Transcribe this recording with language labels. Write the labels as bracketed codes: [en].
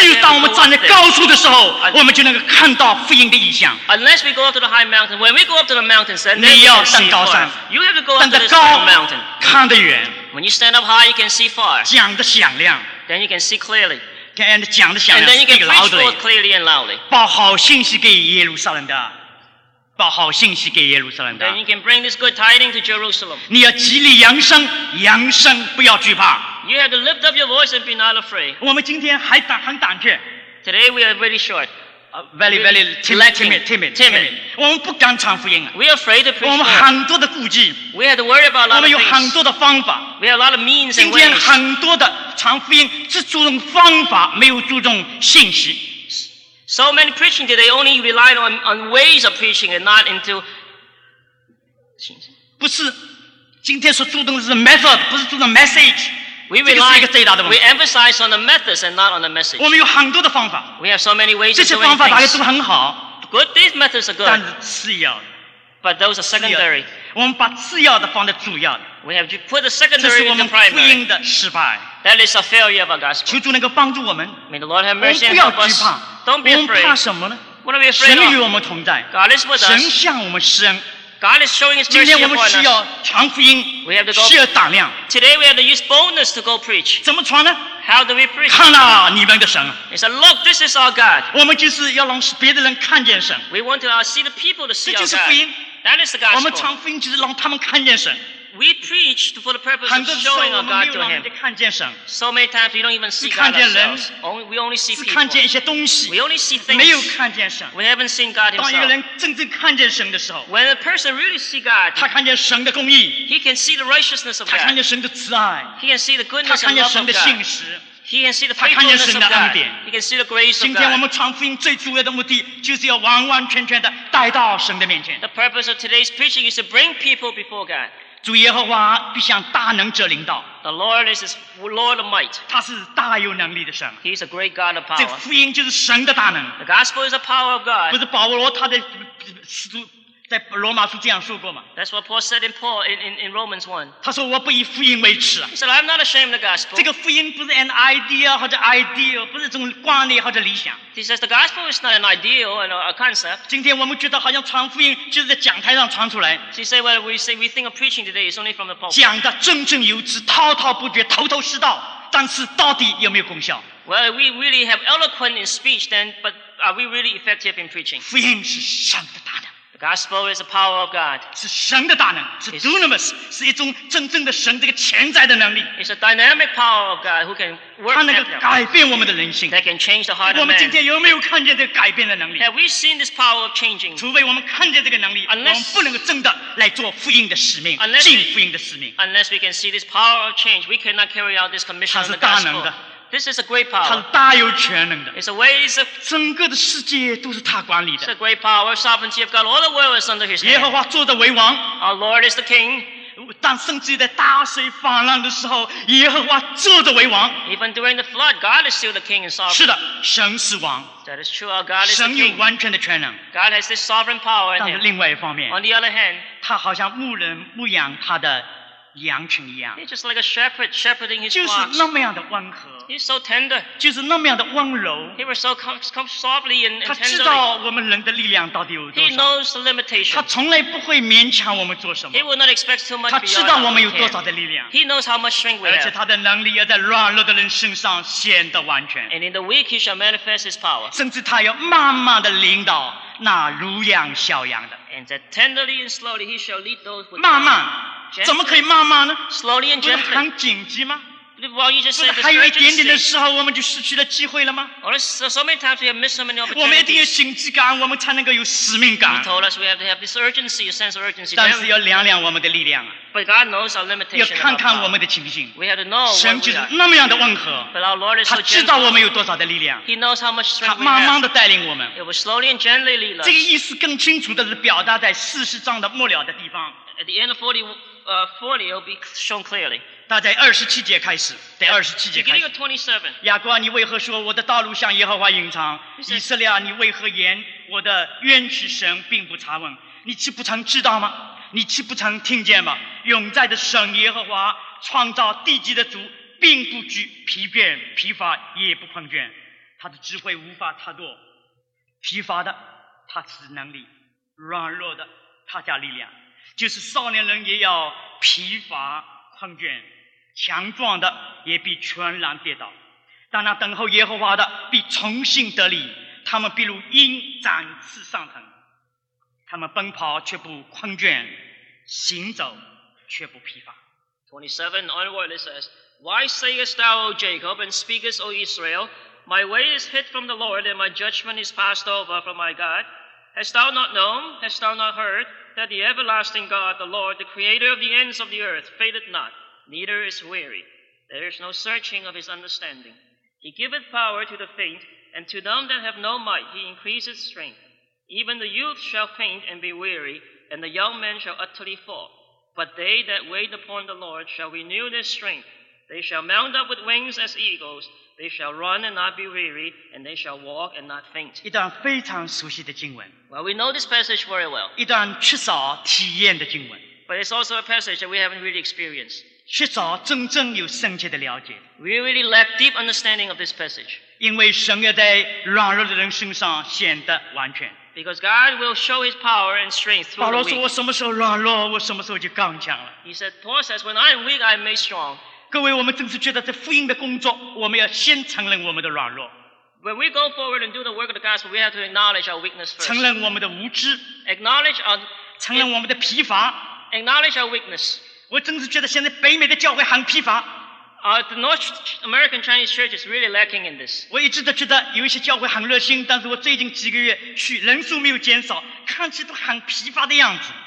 [zh] 只有当我们站在高处的时候, 我们就能够看到福音的意象。 [en] Unless we go up to the high mountain, when we go up to the mountain, then [zh] 你要上高山, [en] you have to go up to the mountain. [zh] 看得远, [en] when you stand up high, you can see far. [zh] 讲得响亮, [en] then you can see clearly. [zh] And 讲得响亮, [en] and then you can preach forth clearly and loudly. [zh] 报好信息给耶路撒冷的, 报好信息给耶路撒冷的, [en] then you can bring this good tiding to Jerusalem. [zh] 你要极力扬声, 扬声, 不要惧怕, [en] you have to lift up your voice and be not afraid. [zh] 我们今天还胆, 很胆怯, [en] today we are really short. very, very timid. [zh] 我们不敢传福音。 [en] We are afraid to preach. [zh] 我们很多的顾忌。 [en] We had to worry about a lot of things. [zh] 我们有很多的方法。 [en] We have a lot of means and ways. [zh] 今天很多的传福音只注重方法，没有注重信息。 [en] So many preaching today only relied on ways of preaching and not into. [zh] 不是，今天所注重的是 method， 不是注重 message。 [en] We emphasize on the methods and not on the message. [zh] 我们有很多的方法。 [en] We have so many ways to do things. [zh] 这些方法大概都很好。 [en] Good, these methods are good. [zh] 但是次要的。 [en] But those are secondary. [zh] 我们把次要的放在主要的。 [en] We have to put the secondary into primary. [zh] 这是我们福音的失败。 [en] That is a failure of our gospel. [zh] 求主能够帮助我们。 [en] May the Lord have mercy and help us. Don't be afraid. [zh] 我们怕什么呢？ [en] What are we afraid of? [zh] 神与我们同在。 [en] God is with us. [zh] 神向我们施恩。 [en] God is showing His mercy upon us. [zh] 今天我们需要传福音， [en] we have to go, [zh] 需要胆量。 [en] Today we have to use boldness to go preach. [zh] 怎么传呢？ [en] How do we preach? [zh] 看啊，你们的神。 [en] He said, "Look, this is our God." [zh] 我们就是要让别的人看见神。 [en] We want to see the people to see our God. [zh] 这就是福音。 [en] That is the gospel. [zh] 我们传福音就是让他们看见神。 [en] We preach for the purpose of showing our God to him. So many times we don't even see God ourselves. We only see people. [zh] 只看见一些东西。 [en] We only see things. [zh] 没有看见神。 [en] We haven't seen God himself. [zh] 当一个人真正看见神的时候， [en] when a person really see God, [zh] 他看见神的公义。 [en] He can see the righteousness of God. [zh] 他看见神的慈爱。 [en] He can see the goodness and love of God. [zh] 他看见神的信实。 [en] He can see the faithfulness of God. He can see the grace of God. [zh] 今天我们传福音最主要的目的就是要完完全全的带到神的面前。 [en] The purpose of today's preaching is to bring people before God. [zh] 主耶和华必向大能者领导。 [en] The Lord is His Lord of Might. [zh] 他是大有能力的神。 [en] He is a great God of power. [zh] 这个福音就是神的大能。 [en] The gospel is the power of God. [zh] 不是保罗他的使徒。在罗马书这样说过嘛？ [en] That's what Paul said in Paul in Romans 1. [zh] 他说我不以福音为耻。 [en] He said I'm not ashamed of the gospel. [zh] 这个福音不是 an idea 或者 ideal， 不是一种观念或者理想。 [en] He says the gospel is not an ideal and a concept. [zh] 今天我们觉得好像传福音就是在讲台上传出来。 [en] He said well we say we think of preaching today is only from the pulpit. [zh] 讲的振振有词，滔滔不绝，头头是道，但是到底有没有功效？ [en] Well, we really have eloquent in speech, then, but are we really effective in preaching? [zh] 福音是神的大能。 [en] Gospel is the power of God. [zh] 是神的大能，是 dunamis， 是一种真正的神这个潜在的能力。 [en] It's a dynamic power of God who can work. [zh] 它能够改变我们的人性。 [en] That can change the heart of man. [zh] 我们今天有没有看见这个改变的能力？ [en] Have we seen this power of changing? [zh] 除非我们看见这个能力， [en] unless, [zh] 我们不能够真的来做福音的使命， [en] unless, [zh] 尽福音的使命。 [en] Unless we can see this power of change, we cannot carry out this commission of the gospel. [zh] 它是大能的。 [en] This is a great power. [zh] 它是大有全能的。 [en] It's a way. It's a [zh] 整个的世界都是他管理的。 [en] It's a great power, sovereignty of God. All the world is under His hand. [zh] 耶和华坐着为王。 [en] Our Lord is the King. [zh] 当甚至在大水泛滥的时候，耶和华坐着为王。 [en] Even during the flood, God is still the King and sovereign. [zh] 是的，神是王。 [en] That is true. Our God is the King. [zh] 神有完全的全能。 [en] God has this sovereign power in Him. [zh] 但是另外一方面 [en] ，On the other hand, [zh] 他好像牧人牧养他的。羊群一样 [en] He's just like a shepherd shepherding his flocks. [zh] 就是那么样的温和 [en] He's so tender. [zh] 就是那么样的温柔 [en] He was so come softly and tenderly. [zh] 他知道我们人的力量到底有多少 [en] He knows the limitation. [zh] 他从来不会勉强我们做什么 [en] He will not expect too much. [zh] 他知道我们有多少的力量 [en] He knows how much strength we have. [zh] 而且他的能力要在软弱的人身上显得完全 [en] And in the weak he shall manifest his power. [zh] 甚至他要慢慢的领导那如羊小羊的 [en] And that tenderly and slowly he shall lead those with [zh] 慢慢怎么可以慢慢呢 [en] Slowly and gently. [zh] 不是很紧急吗 [en] well, you just [zh] 不是还有一点点的时候我们就失去了机会了吗 [en] well, so many times we have missed so many opportunities. [zh] 我们一定要紧急感我们才能够有使命感 [en] He told us we have to have this urgency, a sense of urgency. [zh] 但是要量量我们的力量啊 [en] But God knows our limitations. [zh] 要看看我们的情形 [en] We have to know [zh] 神就是那么样的温和 [en] But our Lord is so gentle. [zh] 他知道我们有多少的力量 [en] He knows how much strength we have. [zh] 他慢慢地带领我们 [en] It will slowly and gently lead us. [zh] 这个意思更清楚的是表达在四十章的末了的地方 [en] At the end of 40 will be shown clearly. [zh] 大概二十七节开始，在二十七节开始。 [en] 27. [zh] 雅各，你为何说我的道路向耶和华隐藏？ [en] Says, [zh] 以色列，你为何言我的冤屈神并不查问？你岂不曾知道吗？你岂不曾听见吗？永在的神耶和华创造地基的主，并不惧疲倦疲乏，也不困倦。他的智慧无法测度，疲乏的他赐能力，软弱的他加力量。就是少年人也要疲乏困倦，强壮的也必全然跌倒。但那等候耶和华的必重新得力，他们必如鹰展翅上腾，他们奔跑却不困倦，行走却不疲乏。 [en] 27 onward it says, Why sayest thou, O Jacob, and speakest, O Israel, My way is hid from the Lord, and my judgment is passed over from my God. Hast thou not known, hast thou not heard, that the everlasting God, the Lord, the creator of the ends of the earth, faileth not, neither is weary. There is no searching of his understanding. He giveth power to the faint, and to them that have no might he increaseth strength. Even the youth shall faint and be weary, and the young men shall utterly fall. But they that wait upon the Lord shall renew their strength. They shall mount up with wings as eagles. They shall run and not be weary, and they shall walk and not faint. [zh] 一段非常熟悉的经文。 [en] Well, we know this passage very well. [zh] 一段缺少体验的经文。 [en] But it's also a passage that we haven't really experienced. [zh] 缺少真正有圣洁的了解。 [en] We really lack deep understanding of this passage. [zh] 因为神要在软弱的人身上显得完全。 [en] Because God will show his power and strength through the weak. [zh] 保罗说我什么时候软弱，我什么时候就刚强了。 [en] He said, Paul says, when I am weak, I am made strong. [zh] 各位，我们正是觉得这福音的工作，我们要先承认我们的软弱。 [en] When we go forward and do the work of the gospel, we have to acknowledge our weakness first. [zh] 承认我们的无知。 [en] Acknowledge our. [zh] 承认我们的疲乏。 [en] Acknowledge our weakness. [zh] 我正是觉得现在北美的教会很疲乏。 [en] The North American Chinese Church is really lacking in this. [zh] 我一直都觉得有一些教会很热心，但是我最近几个月去人数没有减少，看起来都很疲乏的样子。